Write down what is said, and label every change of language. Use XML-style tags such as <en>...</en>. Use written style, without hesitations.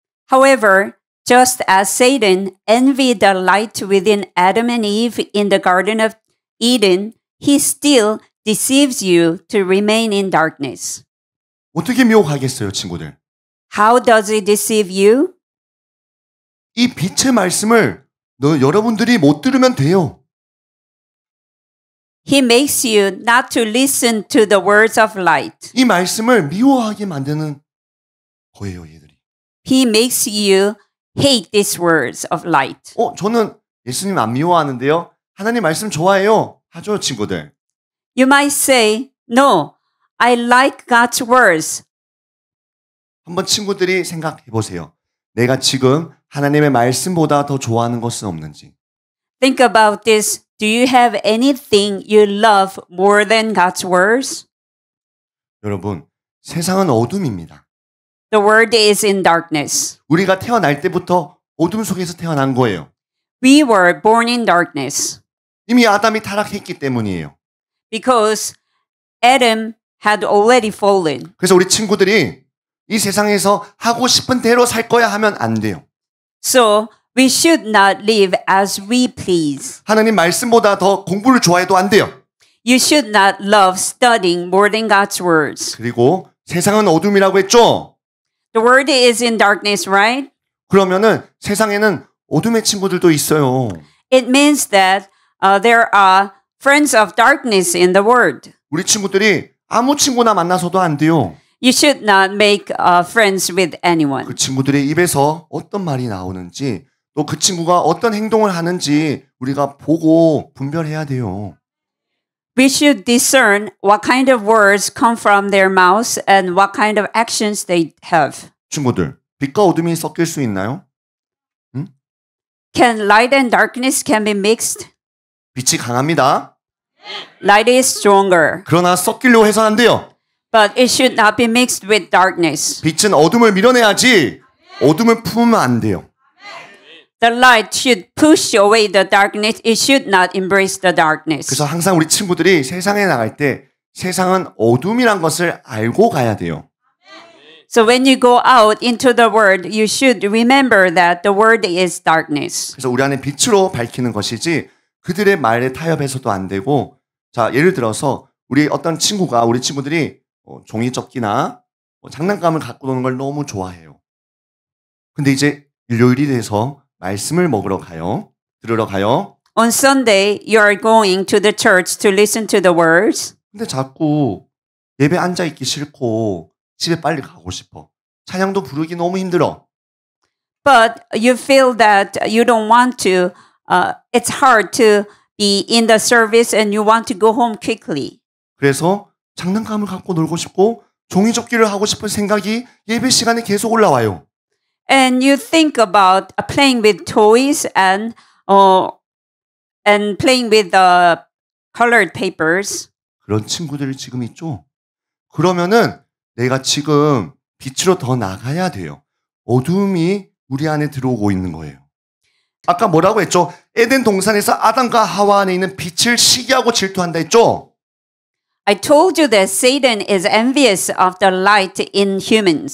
<en>However, just as Satan envied the light within Adam and Eve in the Garden of Eden, he still deceives you to remain in darkness.</en> <ko>어떻게 미혹하겠어요, 친구들?</ko> <en>How does he deceive you?</en> <ko>이 빛의 말씀을 여러분들이 못 들으면 돼요.</ko> <en>He makes you not to listen to the words of light.</en> <ko>이 말씀을 미워하게 만드는 거예요, 얘들이.</ko> <en>He makes you hate these words of light.</en> <ko>저는 예수님 안 미워하는데요. 하나님 말씀 좋아해요. 하죠, 친구들.</ko> <en>You might say, no, I like God's words.</en> <ko>한번 친구들이 생각해 보세요. 내가 지금 하나님의 말씀보다 더 좋아하는 것은 없는지.</ko> <en>Think about this. Do you have anything you love more than God's words?</en> <ko>여러분, 세상은 어둠입니다.</ko> <en>The world is in darkness.</en> <ko>우리가 태어날 때부터 어둠 속에서 태어난 거예요.</ko> <en>We were born in darkness.</en> <ko>이미 아담이 타락했기 때문이에요.</ko> <en>Because Adam had already fallen.</en> <ko>그래서 우리 친구들이 이 세상에서 하고 싶은 대로 살 거야 하면 안 돼요.</ko> <en>So we should not live as we please.</en> <ko>하나님 말씀보다 더 공부를 좋아해도 안 돼요.</ko> <en>You should not love studying more than God's words.</en> <ko>그리고 세상은 어둠이라고 했죠?</ko> <en>The world is in darkness, right?</en> <ko>그러면은 세상에는 어둠의 친구들도 있어요.</ko> <en>It means that there are friends of darkness in the world.</en> <ko>우리 친구들이 아무 친구나 만나서도 안 돼요.</ko> <en>You should not make friends with anyone.</en> <ko>그 친구들의 입에서 어떤 말이 나오는지 또 그 친구가 어떤 행동을 하는지 우리가 보고 분별해야 돼요.</ko> <en>We should discern what kind of words come from their mouths and what kind of actions they have.</en> <ko>친구들, 빛과 어둠이 섞일 수 있나요? 응?</ko> <en>Can light and darkness can be mixed?</en> <ko>빛이 강합니다.</ko> <en>Light is stronger.</en> <ko>그러나 섞이려고 해서 안 돼요.</ko> <en>But it should not be mixed with darkness.</en> <ko>빛은 어둠을 밀어내야지 어둠을 품으면 안 돼요.</ko> <en>The light should push away the darkness. It should not embrace the darkness.</en> <ko>그래서 항상 우리 친구들이 세상에 나갈 때 세상은 어둠이란 것을 알고 가야 돼요.</ko> <en>So when you go out into the world, you should remember that the world is darkness.</en> <ko>그래서 우리 안에 빛으로 밝히는 것이지 그들의 말에 타협해서도 안 되고 자 예를 들어서 우리 어떤 친구가 우리 친구들이 종이접기나 장난감을 갖고 노는 걸 너무 좋아해요. 근데 이제 일요일이 돼서 말씀을 먹으러 가요. 들으러 가요.</ko> <en>On Sunday, you are going to the church to listen to the words.</en> <ko>근데 자꾸 예배 앉아있기 싫고 집에 빨리 가고 싶어. 찬양도 부르기 너무 힘들어.</ko> <en>But you feel that you don't want to, it's hard to be in the service and you want to go home quickly.</en> <ko>그래서 장난감을 갖고 놀고 싶고 종이접기를 하고 싶은 생각이 예배 시간에 계속 올라와요.</ko> <en>And you think about playing with toys and playing with the colored papers.</en> <ko>그런 친구들이 지금 있죠. 그러면은 내가 지금 빛으로 더 나가야 돼요. 어둠이 우리 안에 들어오고 있는 거예요. 아까 뭐라고 했죠? 에덴 동산에서 아담과 하와 안에 있는 빛을 시기하고 질투한다 했죠?</ko> <en>I told you that Satan is envious of the light in humans.</en>